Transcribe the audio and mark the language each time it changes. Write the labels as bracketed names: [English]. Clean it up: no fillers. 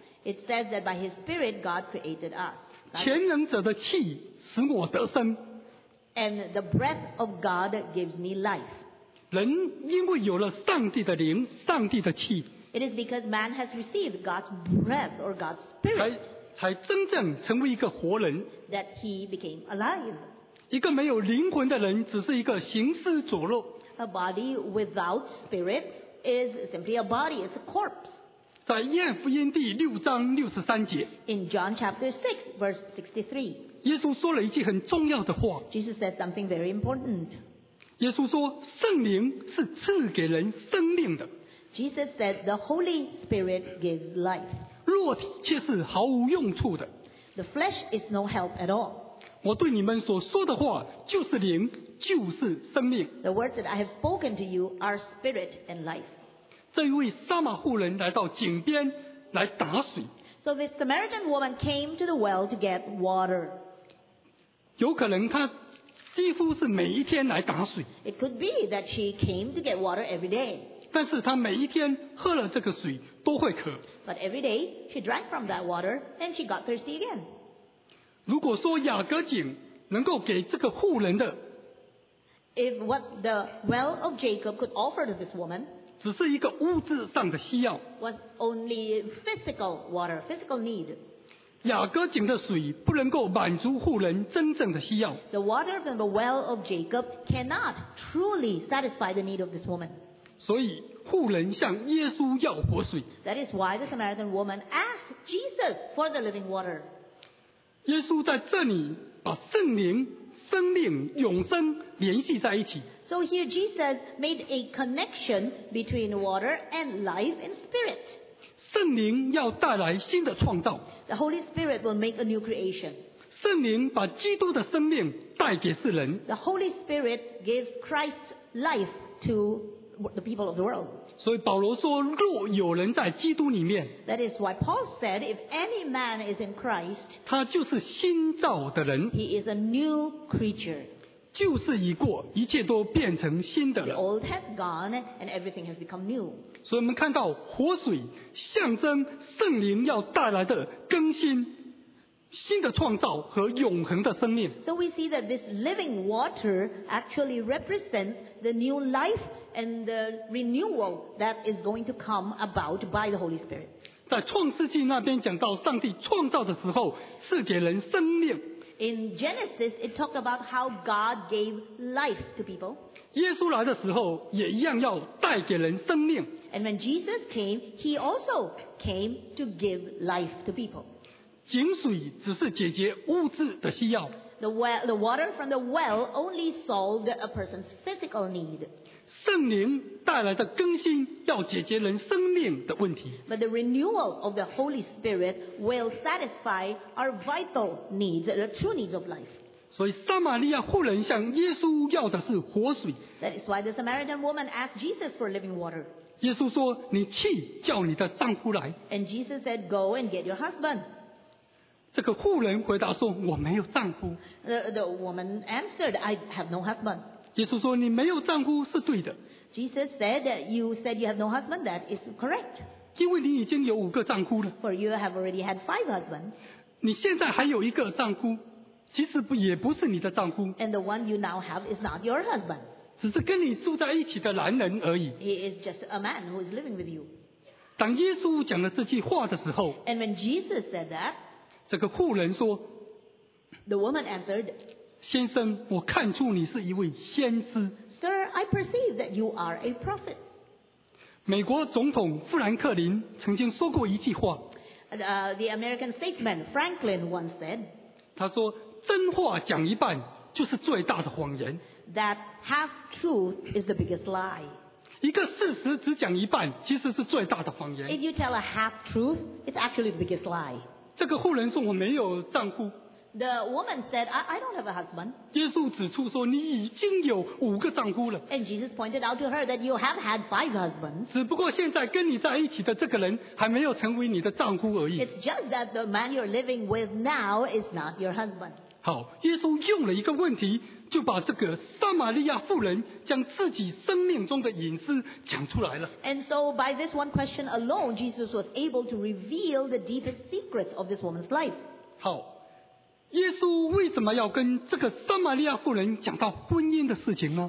[English] It says that by his spirit God created us. [Chinese] 全能者的气使我得生。 [English] And the breath of God gives me life. [Chinese] 人因为有了上帝的灵，上帝的气。 [English] It is because man has received God's breath or God's spirit. [Chinese] 才真正成为一个活人。 [English] That he became alive. [Chinese] 一个没有灵魂的人只是一个行尸走肉。 [English] A body without spirit is simply a body, it's a corpse. [Chinese] 在约翰福音第六章六十三节。 [English] In John chapter 6, verse 63. [Chinese] 耶稣说了一句很重要的话。 [English] Jesus said something very important. [Chinese] 耶稣说圣灵是赐给人生命的。 [English] Jesus said the Holy Spirit gives life. [Chinese] 肉体却是毫无用处的。 [English] The flesh is no help at all. [Chinese] 我对你们所说的话就是灵。就是生命。 [English] The words that I have spoken to you are spirit and life. [Chinese] 这一位撒玛妇人来到井边来打水。 [English] So this Samaritan woman came to the well to get water. [Chinese] 有可能她几乎是每一天来打水。 [English] It could be that she came to get water every day. [Chinese] 但是她每一天喝了这个水都会渴。 [English] But every day she drank from that water and she got thirsty again. [Chinese] 如果说雅各井能够给这个妇人的 [English] If what the well of Jacob could offer to this woman [Chinese] 只是一个物质上的需要 [English] was only physical water, physical need. [Chinese] 雅各井的水不能够满足妇人真正的需要 [English] The water from the well of Jacob cannot truly satisfy the need of this woman. [Chinese] 所以妇人向耶稣要活水 [English] That is why the Samaritan woman asked Jesus for the living water. [Chinese] 耶稣在这里把圣灵生命永生联系在一起。 [English] So here Jesus made a connection between water and life and spirit. [Chinese] 圣灵要带来新的创造。 [English] The Holy Spirit will make a new creation. [Chinese] 圣灵把基督的生命带给世人。 [English] The Holy Spirit gives Christ's life to the people of the world. [Chinese] 所以保罗说，若有人在基督里面。 [English] That is why Paul said, if any man is in Christ, [Chinese] 他就是新造的人。 [English] He is a new creature. [Chinese] 旧事已过，一切都变成新的了。 [English] The old has gone, and everything has become new. [Chinese] 所以我们看到活水象征圣灵要带来的更新。新的创造和永恒的生命。 [English] So we see that this living water actually represents the new life and the renewal that is going to come about by the Holy Spirit. [Chinese] 在创世纪那边讲到上帝创造的时候赐给人生命。 [English] In Genesis, it talked about how God gave life to people. [Chinese] 耶稣来的时候也一样要带给人生命。 [English] And when Jesus came, he also came to give life to people. [Chinese] 井水只是解决物质的需要。 [English] The water from the well only solved a person's physical need. [Chinese] 圣灵带来的更新要解决人生命的问题。 [English] But the renewal of the Holy Spirit will satisfy our vital needs, the true needs of life. [Chinese] 所以撒玛利亚妇人向耶稣要的是活水。 [English] That is why the Samaritan woman asked Jesus for living water. [Chinese] 耶稣说：“你去叫你的丈夫来。” [English] And Jesus said, "Go and get your husband." [Chinese] 这个妇人回答说：“我没有丈夫。” [English] The woman answered, "I have no husband." [Chinese] 耶稣说你没有丈夫是对的。 [English] Jesus said that you said you have no husband, that is correct. [Chinese] 因为你已经有五个丈夫了。 [English] For you have already had five husbands. [Chinese] 你现在还有一个丈夫，其实也不是你的丈夫。 [English] And the one you now have is not your husband. [Chinese] 只是跟你住在一起的男人而已。 [English] He is just a man who is living with you. [Chinese] 当耶稣讲了这句话的时候 [English] ，And when Jesus said that, [Chinese] 这个妇人说 [English] ，The woman answered. [Chinese] 先生，我看出你是一位先知。 [English] Sir, I perceive that you are a prophet. [Chinese] 美国总统富兰克林曾经说过一句话。 [English] The American statesman Franklin once said. [Chinese] 他说，真话讲一半就是最大的谎言。 [English] That half truth is the biggest lie. [Chinese] 一个事实只讲一半，其实是最大的谎言。 [English] If you tell a half truth, it's actually the biggest lie. [Chinese] 这个妇人说，我没有丈夫。 [English] The woman said, I don't have a husband. [Chinese] 耶稣指出说，你已经有五个丈夫了。 [English] And Jesus pointed out to her that you have had five husbands. [Chinese] 只不过现在跟你在一起的这个人还没有成为你的丈夫而已。 [English] It's just that the man you're living with now is not your husband. [Chinese] 好，耶稣用了一个问题，就把这个撒玛利亚妇人将自己生命中的隐私讲出来了。 [English] And so by this one question alone, Jesus was able to reveal the deepest secrets of this woman's life. [Chinese] 好。耶稣为什么要跟这个撒玛利亚妇人讲到婚姻的事情呢？